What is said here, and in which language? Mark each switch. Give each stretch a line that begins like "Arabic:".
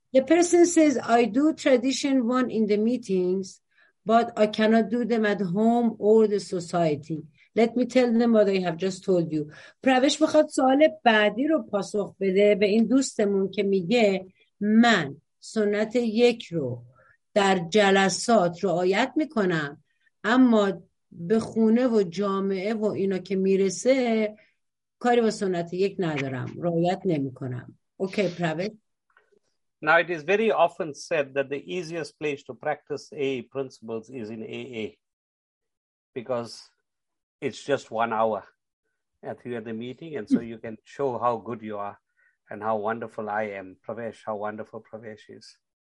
English: The person says, I do tradition one in the meetings, but I cannot do them at home or the society. Let me tell them what I have just told you.
Persian: پروش بخواد سوال بعدی رو پاسخ بده به این دوستمون که میگه من سنت یک رو در جلسات رعایت میکنم اما به خونه و جامعه و اینا که میرسه کاری با سنت یک ندارم. رعایت نمیکنم.
English: Okay,
Persian: پروش.
English: Now it is very often said that the easiest place to practice AA principles is in AA. Because it's just 1 hour at the end of the meeting, and so you can show how good you are and how wonderful I am, Pravesh, how wonderful Pravesh is.